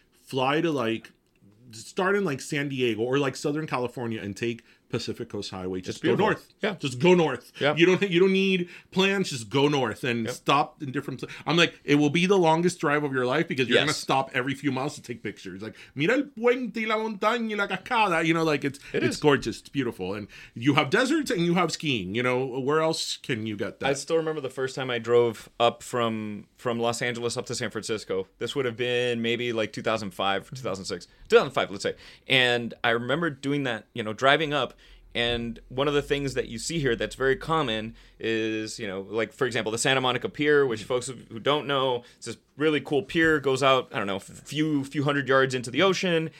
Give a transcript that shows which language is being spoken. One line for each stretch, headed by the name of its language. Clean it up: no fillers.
English: Fly to like, start in like San Diego or like Southern California and take Pacific Coast Highway. Just go north. Yeah. Just go north. Yeah. You don't need plans. Just go north and stop in different places. I'm like, it will be the longest drive of your life because you're going to stop every few miles to take pictures.
Spanish: Like, mira el puente y la montaña y la cascada.
English: You know, like it's gorgeous. It's beautiful. And you have deserts and you have skiing. You know, where else can you get that? I still remember the first time I drove up from Los Angeles up to San Francisco. This would have been maybe like 2005, 2006, 2005, let's say. And I remember doing that, you know, driving up. And one of the things that you see here that's very common is, you know, like, for example, the Santa Monica Pier, which folks who don't know, it's this really cool pier, goes out, I don't know, few hundred yards into the ocean.